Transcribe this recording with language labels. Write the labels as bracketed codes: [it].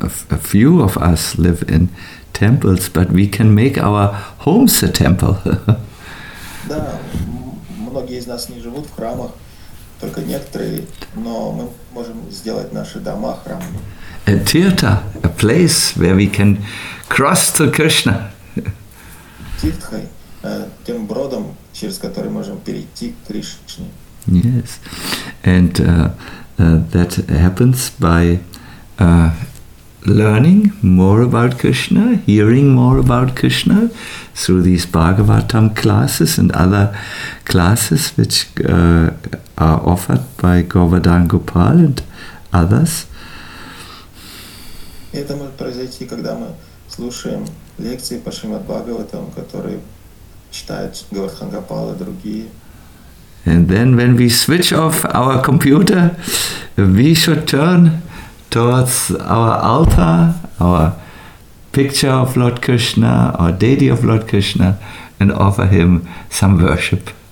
[en] a few of us live in temples, but we can make our homes a temple. [ru] Да, многие из нас не живут в храмах, только некоторые, но мы можем сделать наши дома храмами. [en] A tirtha, a place where we can cross to Krishna. [ru] Тиртхой, тем бродом, через который можем перейти к Кришне. [en] Yes, and that happens by learning more about Krishna, hearing more about Krishna through these Bhagavatam classes and other classes which are offered by Govardhan Gopal and others. [ru] Это может произойти, когда мы слушаем лекции по Шримад Бхагаватам, которые читает Говардхан Гопал и другие. [en] And then when we switch off our computer, we should turn towards our altar, our picture of Lord Krishna, our deity of Lord Krishna, and offer him some worship.